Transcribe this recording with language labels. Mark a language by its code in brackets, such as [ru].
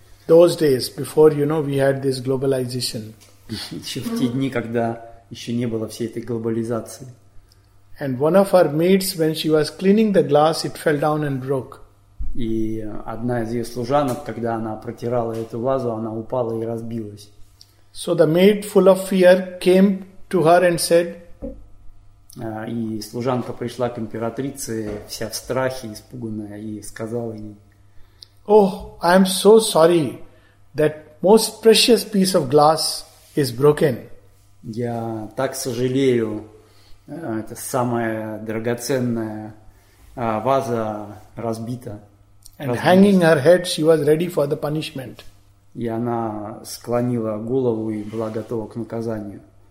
[en] Those days before, you know, we had this globalization. [ru] Еще в те дни, когда еще не было всей этой глобализации. [en] And one of our maids, when she was cleaning the glass, it fell down and broke. [ru] И одна из ее служанок, когда она протирала эту вазу, она упала и разбилась. [en] So the maid, full of fear, came to her and said. [ru] И служанка пришла к императрице, вся в страхе, испуганная, и сказала ей. [en] Oh, I am so sorry that most precious piece of glass is broken. [ru] Я так сожалею, это самая драгоценная ваза разбита. [en] And hanging her head, she was ready for the punishment. [ru] И она склонила голову и была готова к наказанию.